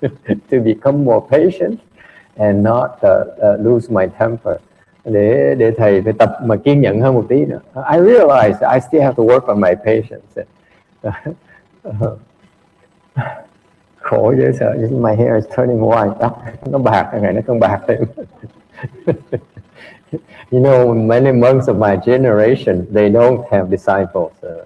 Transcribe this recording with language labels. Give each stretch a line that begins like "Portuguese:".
English: To become more patient and not lose my temper.
Vietnamese: Để thầy phải tập mà kiên nhẫn hơn một tí nữa.
English: I realize I still have to work on my patience.
Vietnamese: Khổ dễ sợ.
English: My hair is turning white.
Vietnamese: Đó, nó bạc, ngày nó không bạc thêm.
English: You know, many monks of my generation, they don't have disciples.